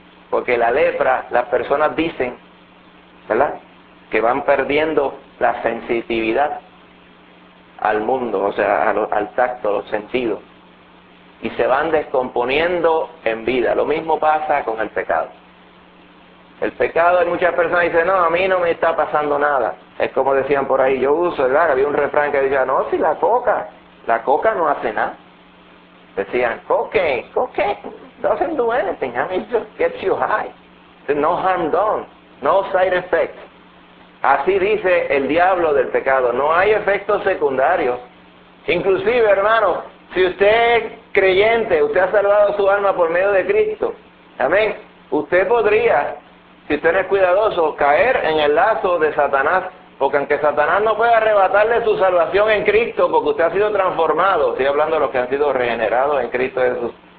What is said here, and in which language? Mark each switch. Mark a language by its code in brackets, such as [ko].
[es] Porque la lepra, las personas dicen, ¿verdad?, que van perdiendo la sensibilidad al mundo, o sea, al tacto, los sentidos, y se van descomponiendo en vida. Lo mismo pasa con el pecado. El pecado, hay muchas personas que dicen, no, a mí no me está pasando nada. Es como decían por ahí, yo uso, ¿verdad? Había un refrán que decía, no, si la coca no hace nada. [en] Decían, coque, doesn't do anything, I mean, it just gets you high. No harm done, no side effects. [es] Así dice el diablo del pecado, no hay efectos secundarios. Inclusive, hermano, si usted es creyente, usted ha salvado su alma por medio de Cristo, amén, usted podría, si usted no es cuidadoso, caer en el lazo de Satanás, porque aunque Satanás no pueda arrebatarle su salvación en Cristo, porque usted ha sido transformado, estoy hablando de los que han sido regenerados en Cristo Jesús,